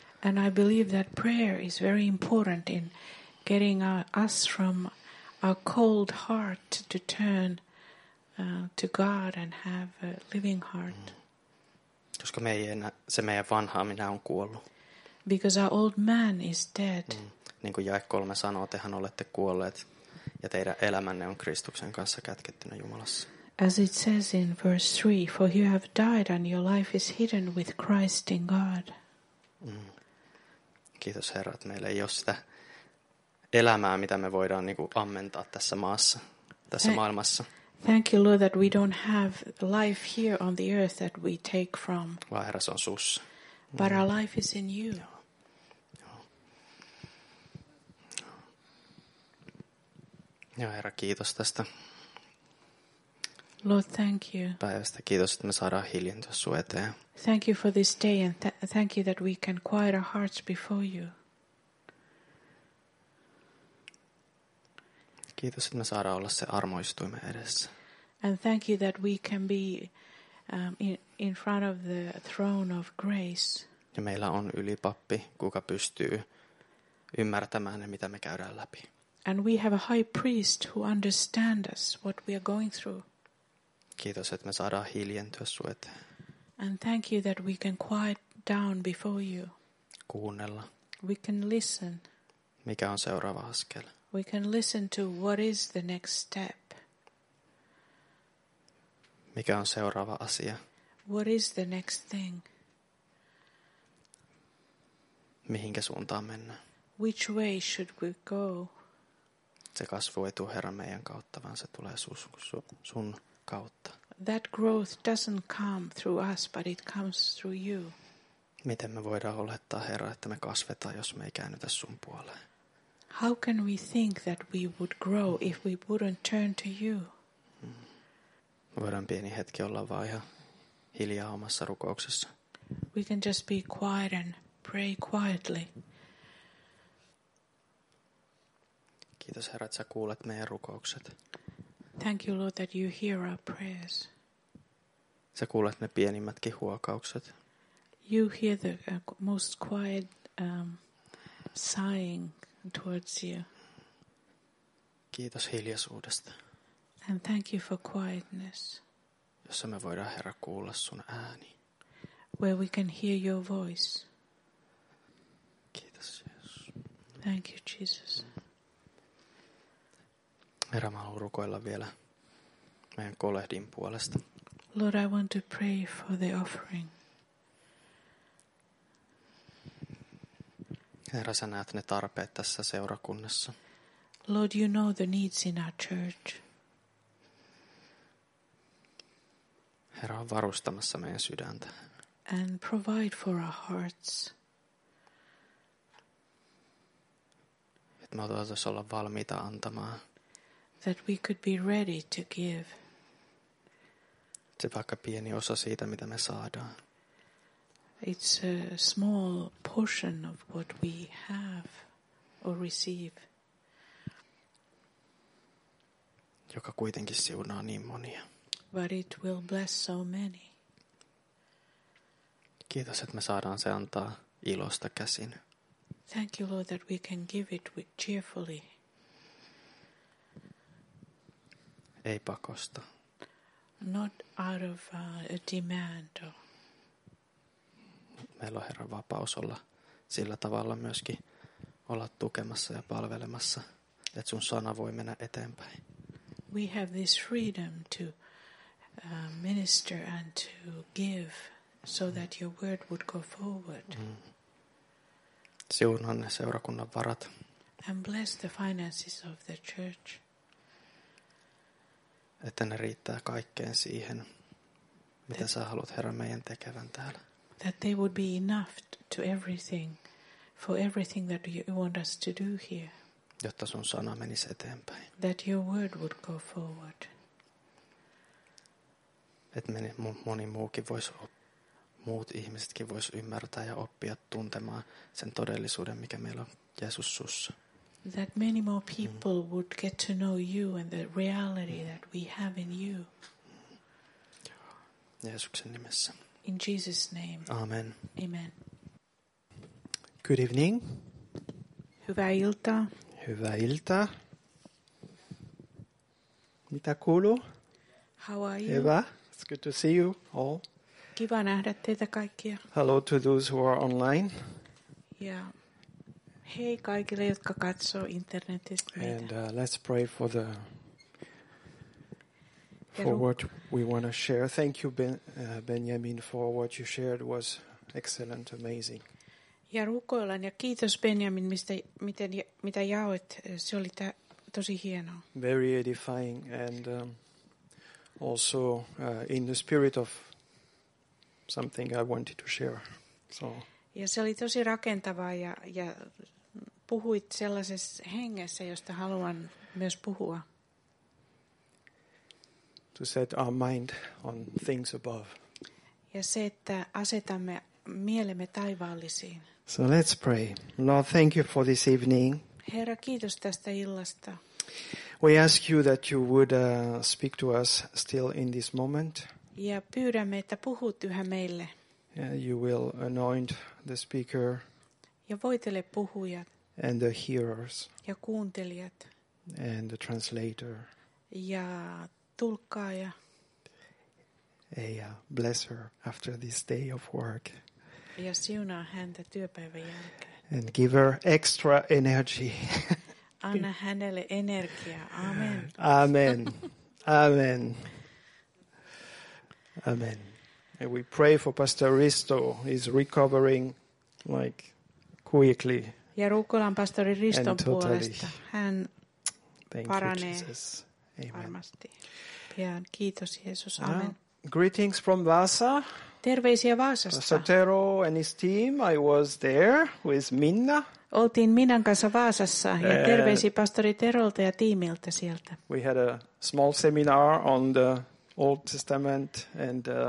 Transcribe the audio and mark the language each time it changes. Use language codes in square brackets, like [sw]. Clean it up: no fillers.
[en] And I believe that prayer is very important in getting us from our cold heart to turn to God and have a living heart. [fi] Koska se meidän vanha minä on kuollut. [en] Because our old man is dead. [fi] Niin kuin jae 3 sanoo, tehän olette kuolleet ja teidän elämänne on Kristuksen kanssa kätkettynä Jumalassa. [en] As it says in verse 3, for you have died and your life is hidden with Christ in God. [fi] Kiitos Herra, että meillä ei ole sitä elämää, mitä me voidaan niinku ammentaa tässä maassa, tässä maailmassa. [en] Thank you, Lord, that we don't have life here on the earth that we take from. [fi] Vaan Herra, se on sussa. [en] But our life is in you. [fi] Joo, Herra, kiitos tästä. [en] Lord, thank you. [fi] Päivästä. Kiitos, että me saadaan hiljentyä sun eteen. [en] Thank you for this day and thank you that we can quiet our hearts before you. [fi] Kiitos, että me saadaan olla se armoistuimen edessä. [en] And thank you that we can be in front of the throne of grace. [fi] Ja meillä on ylipappi, kuka pystyy ymmärtämään ne, mitä me käydään läpi. [en] And we have a high priest who understands us, what we are going through. [fi] Kiitos, että me saadaan hiljentyä sun eteen. [en] And thank you that we can quiet down before you. [fi] Kuunnella. [en] We can listen. [fi] Mikä on seuraava askel? [en] We can listen to what is the next step. [fi] Mikä on seuraava asia? [en] What is the next thing? [fi] Mihinkä suuntaan mennä? [en] Which way should we go? [fi] Se kasvu ei tule Herran meidän kautta, vaan se tulee sun kautta. [en] That growth doesn't come through us, but it comes through you. [fi] Miten me voidaan olettaa, Herra, että me kasvetaan, jos me ei käännytä sun puoleen? [en] How can we think that we would grow if we wouldn't turn to you? [fi] Voidaan pieni hetki olla vaan ihan hiljaa omassa rukouksessa. [en] We can just be quiet and pray quietly. [fi] Kiitos, Herra, että sä kuulet meidän rukoukset. [en] Thank you, Lord, that you hear our prayers. [fi] Sä kuulet ne pienimmätkin huokaukset. [en] You hear the most quiet sighing towards you. [fi] Kiitos hiljaisuudesta. [en] And thank you for quietness. [fi] Jossa me voidaan, Herra, kuulla sun ääni. [en] Where we can hear your voice. [fi] Kiitos, Jeesus. [en] Thank you, Jesus. [fi] Herra, mä haluan rukoilla vielä meidän kolehdin puolesta. [en] Lord, I want to pray for the offering. [fi] Herra, sä näet ne tarpeet tässä seurakunnassa. [en] Lord, you know the needs in our church. [fi] Herra, on varustamassa meidän sydäntä. [en] And provide for our hearts. [fi] Että me otetaan olla valmiita antamaan. [en] That we could be ready to give. [fi] Se vaikka pieni osa siitä, mitä me saadaan. [en] It's a small portion of what we have or receive. [fi] Joka kuitenkin siunaa niin monia. [en] But it will bless so many. [fi] Kiitos, että me saadaan se antaa ilosta käsin. [en] Thank you, Lord, that we can give it with cheerfully. [fi] Ei pakosta. [en] Not out of a demand. [fi] Meillä on, Herra, vapaus olla sillä tavalla myöskin olla tukemassa ja palvelemassa, että sun sana voi mennä eteenpäin. [en] We have this freedom to minister and to give so that your word would go forward. [fi] Siunaa ne seurakunnan varat. [en] And bless the finances of the church. [fi] Että ne riittää kaikkeen siihen, mitä sä haluat, Herra, meidän tekevän täällä. [en] That they would be enough to everything, for everything that you want us to do here. [fi] Jotta sun sana menisi eteenpäin. [en] That your word would go forward. [fi] Että moni muukin voisi, muut ihmisetkin voisi ymmärtää ja oppia tuntemaan sen todellisuuden, mikä meillä on Jeesus sussa. [en] That many more people would get to know you and the reality that we have in you. [fi] Jeesuksen nimessä. [en] In Jesus' name. Amen. Amen. Good evening. [fi] Hyvää iltaa. Hyvää iltaa. Mitä kuuluu? [en] How are you? [fi] Hyvä. [en] It's good to see you all. [fi] Kiva nähdä teitä kaikkia. [en] Hello to those who are online. Yeah. [fi] Hei kaikille, jotka katsoo internetistä meitä. [en] And let's pray for the for what we want to share. Thank you, Benjamin, for what you shared. It was excellent, amazing. [fi] Ja rukoillaan ja kiitos Benjamin, mitä jaoit. Se oli tosi hienoa. [en] Very edifying and also in the spirit of something I wanted to share. So. [fi] Ja se oli tosi rakentavaa ja puhuit sellaisessa hengessä, josta haluan myös puhua. [en] To set our mind on things above. [fi] Ja se, että asetamme mielemme taivaallisiin. [en] So let's pray. Lord, thank you for this evening. [fi] Herra, kiitos tästä illasta. [en] We ask you that you would speak to us still in this moment. [fi] Ja pyydämme, että puhut yhä meille. [en] You will anoint the speaker. [fi] Ja voitele puhujat. [en] And the hearers. [fi] Ja kuuntelijat. [en] And the translator. [fi] Ja tulkkaaja. [en] Yeah, bless her after this day of work. [fi] Ja siunaa häntä työpäivän jälkeen. [en] And give her extra energy. [fi] Anna hänelle energiaa. Amen. Amen. Amen. [en] Amen. And we pray for Pastor Risto. He's recovering like quickly. [fi] Ja rukoillaan Pastori Riston puolesta. Hän paranee varmasti. Pian. Kiitos Jeesus. Amen. [en] Greetings from Vasa. [fi] Terveisiä Vaasasta. [en] Pastor Tero and his team, I was there with Minna. [fi] Oltiin Minnan kanssa Vaasassa ja terveisiä pastori Terolta ja tiimiltä sieltä. [en] We had a small seminar on the Old Testament and